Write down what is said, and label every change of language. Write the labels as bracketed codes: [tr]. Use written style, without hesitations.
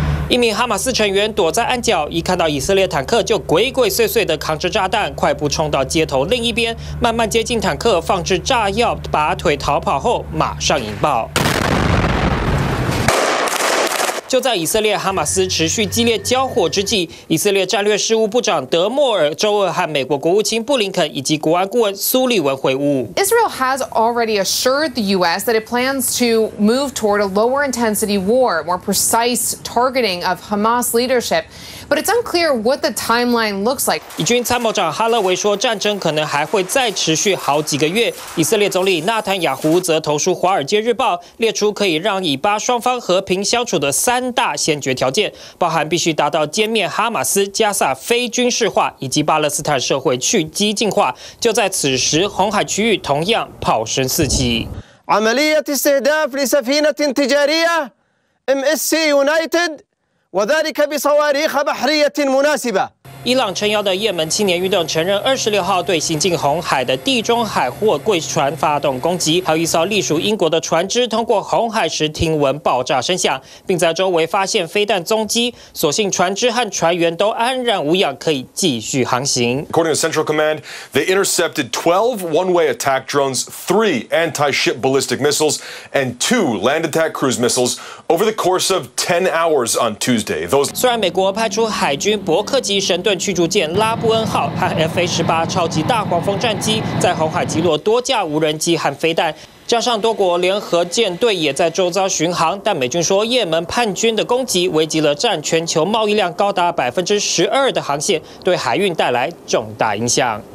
[zh] 一名哈马斯成员躲在暗角，一看到以色列坦克就鬼鬼祟祟地扛着炸弹快步冲到街头另一边，慢慢接近坦克放置炸药拔腿逃跑后马上引爆。就在以色列哈马斯持续激烈交火之际，以色列战略事务部长德莫尔周二和美国国务卿布林肯以及国安顾问苏利文会晤。 [en] Israel has already assured the U.S. that it plans to move toward a lower intensity war, more precise targeting of Hamas leadership. But it's unclear what the timeline looks like. [zh] 以军参谋长哈勒维说，战争可能还会再持续好几个月。以色列总理纳坦雅胡则投书《华尔街日报》，列出可以让以巴双方和平相处的三大先决条件，包含必须达到歼灭哈马斯、加萨非军事化以及巴勒斯坦社会去激进化。就在此时，红海区域同样炮声四起。 [ar] عملية استهداف لسفينة تجارية MSC United وذلك بصواريخ بحرية مناسبة. [zh] 伊朗撑腰的也门青年运动承认26号对行进红海的地中海货柜船发动攻击，还有一艘隶属英国的船只通过红海时听闻爆炸声响，并在周围发现飞弹踪迹，所幸船只和船员都安然无恙，可以继续航行。 [en] According to Central Command, they intercepted 12 one-way attack drones, 3 anti-ship ballistic missiles and 2 land attack cruise missiles over the course of 10 hours on Tuesday. [zh] 虽然美国派出海军伯克级神盾驱逐舰拉布恩号和 F-18 超级大黄蜂战机在红海击落多架无人机和飞弹，加上多国联合舰队也在周遭巡航，但美军说也门叛军的攻击危及了占全球贸易量高达12%的航线，对海运带来重大影响。